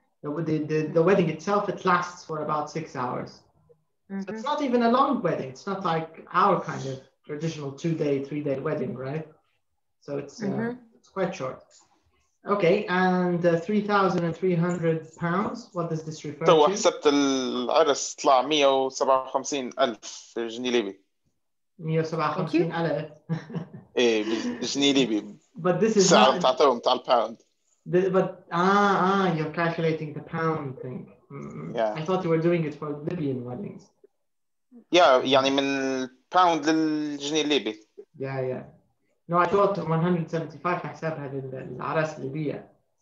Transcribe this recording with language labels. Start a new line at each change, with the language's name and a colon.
English: The wedding itself, it lasts for about 6 hours. Mm-hmm. So it's not even a long wedding. It's not like our kind of traditional 2-day, 3-day wedding, right? So it's quite short. Okay, and £3,300, what does this refer to?
Arabic: So, حسبت العرس طلع 157,000 جنيه ليبي. 157,000. إيه جنيه ليبي.
English: But this is
Arabic: الساعة بتاعتهم بتاع الباوند.
English: But you're calculating the pound thing. Yeah. I thought you were doing it for Libyan weddings.
Arabic: Yeah, يعني من الباوند للجنيه ليبي.
English: Yeah. No, I thought 175
Arabic: حسابها للعرس الليبية.